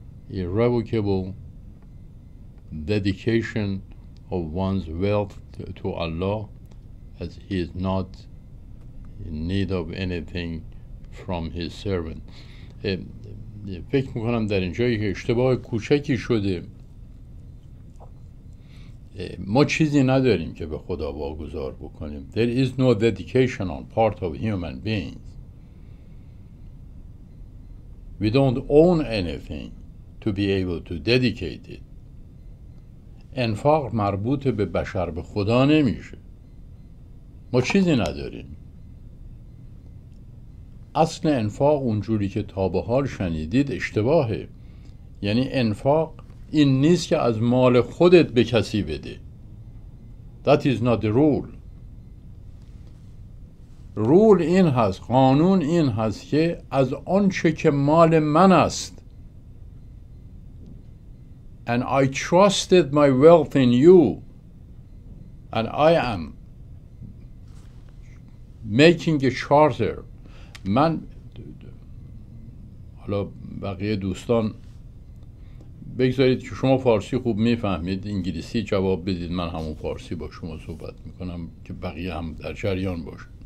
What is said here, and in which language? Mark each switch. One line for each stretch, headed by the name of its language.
English: irrevocable dedication of one's wealth to Allah, as he is not in need of anything from his servant.
Persian: فکر میکنم در اینجا یه اشتباه کوچکی شده. ما چیزی نداریم که به خدا واگذار بکنیم.
English: There is no dedication on part of human beings. We don't own anything to be able to dedicate it.
Persian: انفاق مربوط به بشر به خدا نمیشه. ما چیزی نداریم. اصل انفاق اونجوری که تا به حال شنیدید اشتباهه. یعنی انفاق این نیست که از مال خودت به کسی بده.
English: That is not the rule.
Persian: Rule این هست، قانون این هست که از آنچه که مال من است،
English: and I trusted my wealth in you and I am making a charter.
Persian: من حالا بقیه دوستان بگذارید که شما فارسی خوب میفهمید، انگلیسی جواب بدید، من همون فارسی با شما صحبت میکنم که بقیه هم در جریان باشه.